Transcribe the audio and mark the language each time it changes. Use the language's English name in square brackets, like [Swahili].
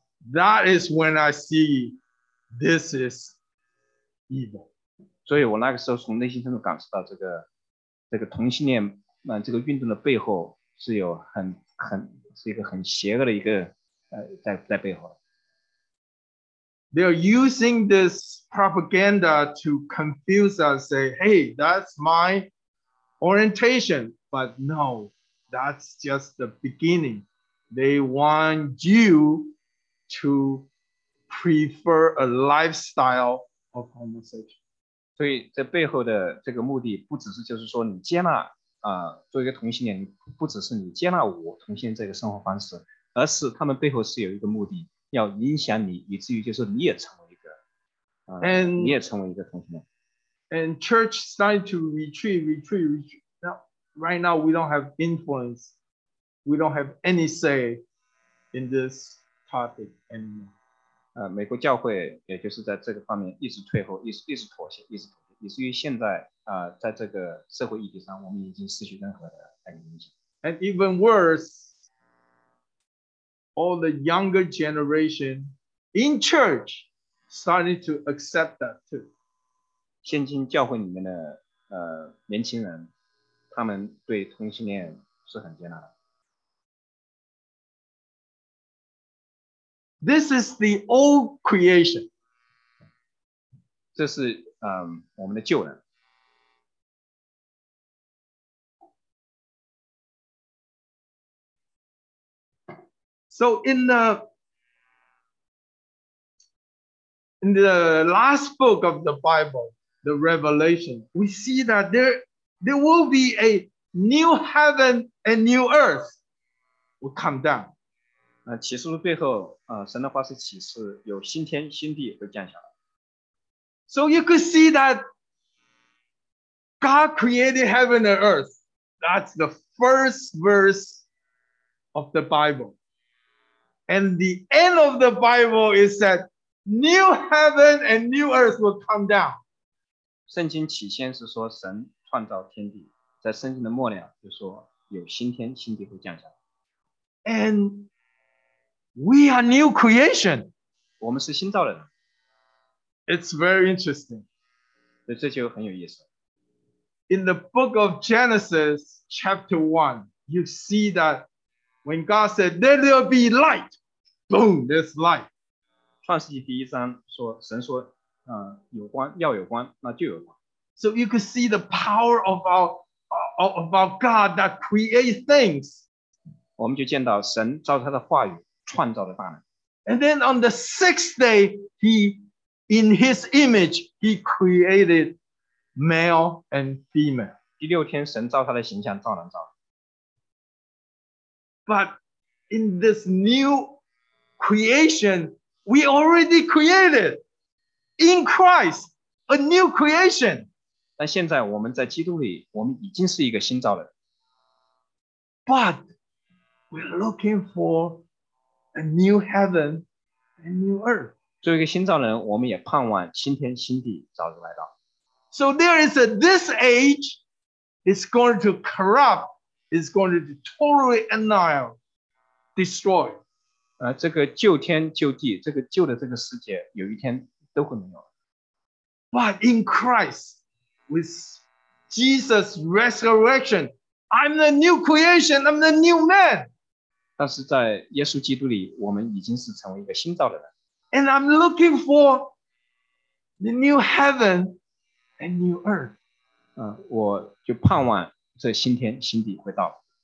[English] That is when I see this is evil. [Chinese] 所以我那个时候从内心深处感受到这个同性恋这个运动的背后是有很是一个很邪恶的一个在背后。 [English] They are using this propaganda to confuse us, say, hey, that's my orientation. But no, that's just the beginning. They want you to prefer a lifestyle of homosexual. [Chinese] 所以这背后的这个目的不只是就是说你接纳作为一个同性恋，不只是你接纳我同性这个生活方式，而是他们背后是有一个目的，要影响你，以至于就是你也成为一个你也成为一个同性恋。 [English] And church started to retreat. Now, right now, we don't have influence. We don't have any say in this topic anymore. [Chinese] 美国教会也就是在这个方面一直退后，一直妥协，一直妥协，以至于现在在这个社会议题上，我们已经失去任何的影响。 [English] And even worse, all the younger generation in church started to accept that too. [Chinese] 现今教会里面的年轻人，他们对同性恋是很接纳的。 [English] This is the old creation. [Chinese] 这是我们的旧人。 [English] So in the last book of the Bible, the Revelation, we see that there will be a new heaven and new earth will come down. [Chinese] 启示录背后，神的话是启示，有新天新地会降下来。 [English] So you could see that God created heaven and earth. That's the first verse of the Bible. And the end of the Bible is that new heaven and new earth will come down. [Chinese] 圣经起先是说神创造天地，在圣经的末了就说有新天新地会降下来。 [English] And we are new creation. [Chinese] 我们是新造人。 [English] It's very interesting. [Chinese] 对，这就很有意思。 [English] In the book of Genesis, chapter 1, you see that when God said, "Let there be light," boom, there's light. [Chinese] 创世纪第一章说，神说，有光，要有光，那就有光。 [English] So you could see the power of our God that creates things. [Chinese] 我们就见到神照他的话语创造的大能。 [English] And then on the sixth day, in His image, He created male and female. [Chinese] 第六天，神照他的形象造男造女。 [English] But in this new creation, we already created in Christ a new creation. [Chinese] 但现在我们在基督里，我们已经是一个新造的人。 [English] But we're looking for a new heaven and new earth. [Chinese] 作为一个新造人，我们也盼望新天新地早日来到。 [English] So there is this age is going to corrupt, is going to totally annihilate, destroy. [Chinese] 这个旧天旧地，这个旧的这个世界，有一天都会没有。 [English] But in Christ, with Jesus' resurrection, I'm the new creation, I'm the new man. [Chinese] 但是在耶稣基督里，我们已经是成为一个新造的人。 [English] And I'm looking for the new heaven. And new earth. [Chinese] 我就盼望这新天新地会到。